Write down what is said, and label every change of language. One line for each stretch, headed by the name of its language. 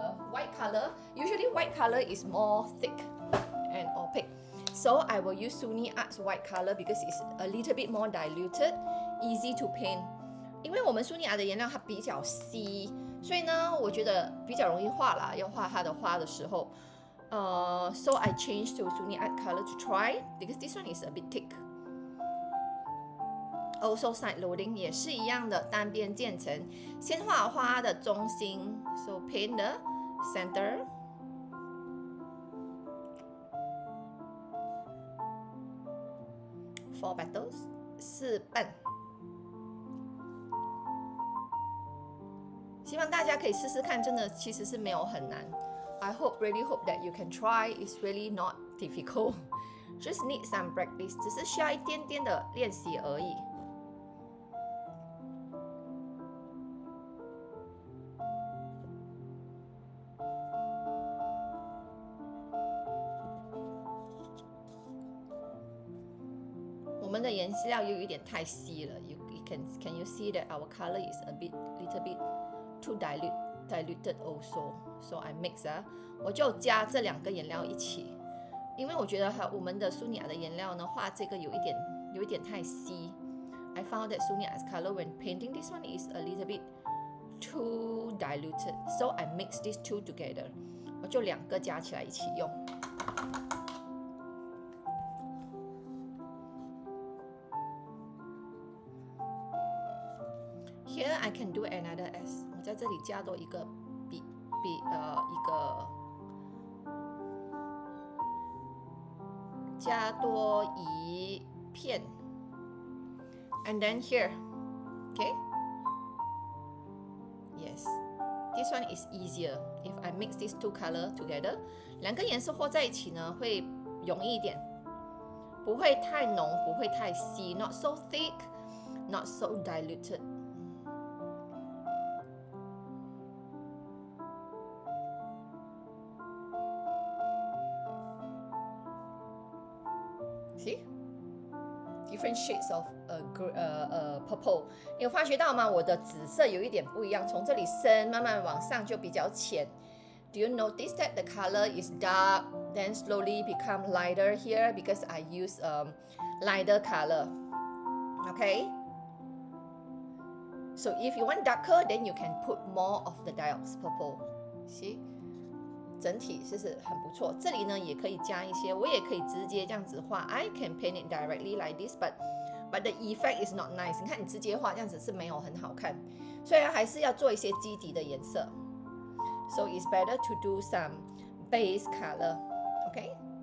English: I found that the white color, usually white color is more thick and opaque. So I will use Suni Art's white color because it's a little bit more diluted, easy to paint.
Chinese: 因为我们苏尼亚的颜料它比较稀。所以呢我觉得比较容易画啦要画它的花的时候
English: So I changed to Suni Art color to try Because this one is a bit thick Also side loading
Chinese: 也是一样的单边渐层先画花的中心
English: So paint the center four battles，
Chinese: 四半。希望大家可以试试看，真的其实是没有很难。
English: I hope, really hope that you can try. It's really not difficult. Just need some practice.
Chinese: 只是需要一点点的练习而已。我们的颜料又有点太稀了。
English: Can you see that our color is a bit, little bit too diluted also? So I mix it.
Chinese: 我就加这两个颜料一起，因为我觉得我们的苏尼亚的颜料呢画这个有一点太稀。
English: I found that Sunia's color when painting this one is a little bit too diluted, so I mix these two together.
Chinese: 我就两个加起来一起用。
English: Here I can do another S.
Chinese: 我在这里加多一个一个加多一片
English: ，and then here, okay? Yes, this one is easier. If I mix these two color together,
Chinese: 两个颜色和在一起呢会容易一点，不会太浓，不会太稀
English: ，not so thick, not so diluted. Different shades of purple.
Chinese: 你有发觉到吗？我的紫色有一点不一样，从这里深慢慢往上就比较浅。
English: Do you notice that the color is dark, then slowly become lighter here because I use lighter color? Okay. So if you want darker, then you can put more of the dioxide purple.
Chinese: See, 整体是不是很不错？这里呢也可以加一些，我也可以直接这样子画。
English: I can paint it directly like this, but the effect is not nice.
Chinese: 你看你直接画这样子是没有很好看，虽然还是要做一些基底的颜色。
English: So it's better to do some base color, okay?